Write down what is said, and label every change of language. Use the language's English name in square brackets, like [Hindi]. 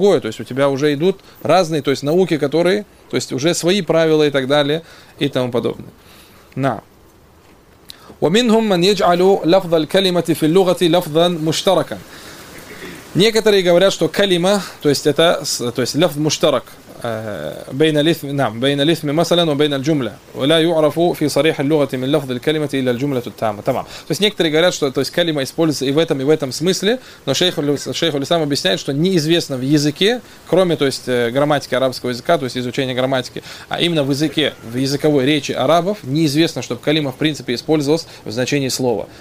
[Russian] То есть у тебя уже идут разные то есть, науки, которые, то есть уже свои правила и так далее и тому подобное. [Arabic] На. وَمِنْهُمْ مَنْ يَجْعَلُ لَفْضَ الْكَلِمَةِ فِي اللُّغَةِ لَفْضًا مُشْتَرَكًا. [Russian] Некоторые говорят, что калима, то есть это, то есть лафз муштарак. [Arabic] بين الاسم نعم بين الاسم مثلا وبين الجملة ولا يعرف في صريح اللغة من لفظ الكلمة إلا الجملة التامة. تمام. [Russian] То есть некоторые говорят, что то есть калима используется и в этом смысле, но шейх Улислам объясняет, что неизвестно в языке, кроме то есть грамматики арабского языка, то есть изучения грамматики, а именно в языке, в языковой речи арабов, неизвестно, чтобы калима в принципе использовалась в значении слова.